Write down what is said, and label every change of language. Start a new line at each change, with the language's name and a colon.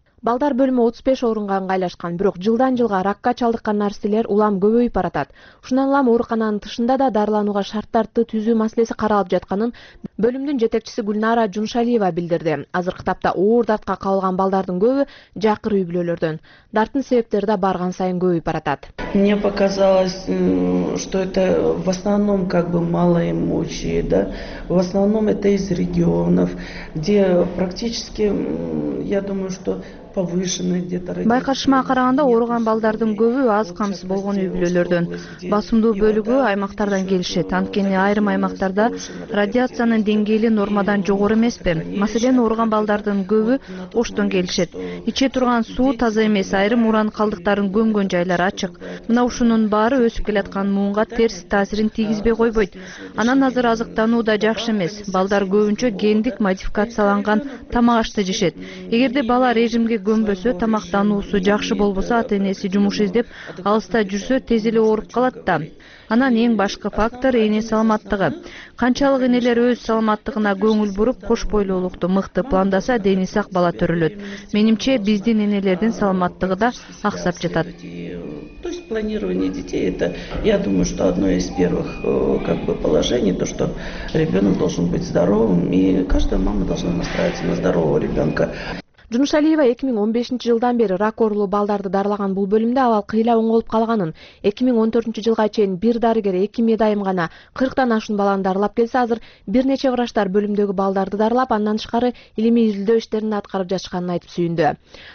Kyrgyz: Балдар бөлүмү 35 орунга ыңгайлашкан, бирок жылдан жылга ракка чалдыккан нерселер улам көбөйүп баратат. Ушундан улам оорукананын тышында да дарыланууга шарттарды түзүү маселеси каралып жатканын бөлүмдүн жетекчиси Гүлнара Жунушалиева билдирди. Азыркы тапта оор дартка кабылган балдардын көбү жакыр үй бүлөлөрдөн. Дарттын себептери да барган сайын көбөйүп баратат.
Russian: Мне показалось, что это в основном как бы малоимущие, да? В основном это из регионов, где практически, я думаю, что
Kyrgyz: Байкашыма караганда ооруган балдардын көбү аз камсыз болгон үй бүлөлөрдөн. Басымдуу бөлүгү аймактардан келишет. Анткени айрым аймактарда радиациянын деңгээли нормадан жогору эмеспи? Маселен, ооруган балдардын көбү Оштон келишет. Иче турган суу таза эмес, айрым уран калдыктарын көмгөн жайлар ачык. Мына ушунун баары өсүп келаткан муунга терс таасирин тийгизбей койбойт. Анан азыр азыктануу да жакшы эмес. Балдар көбүнчө гендик модификацияланган тамак ашты жешет. Эгерде бала режим көнбөсө тамактануусу жакшы болбосо ата энеси жумуш издеп алыста жүрсө тез эле ооруп калат да. Анан эң башкы фактор эне саламаттыгы. Канчалык энелер өз саламаттыгына көңүл буруп кош бойлуулукту мыкты пландаса дени сак бала төрөлөт. Менимче биздин энелердин саламаттыгы да аксап жатат.
Russian: То есть планирование детей это, я думаю, что одно из первых как бы положений, то что ребенок должен быть здоровым и каждая мама должна настраиваться на здорового ребенка.
Kyrgyz: Жунушалиева 2015 жылдан бери рак оорулуу балдарды дарылаган бул бөлүмдө абал кыйла оңолуп калганын, 2014 жылга чейин бир дарыгер эки медайым гана 40 ашуун баланы дарылап келсе, азыр бир нече врачтар бөлүмдөгү балдарды дарылап, андан тышкары илимий изилдөө иштерин аткарып жатышканын айтып сүйүндү.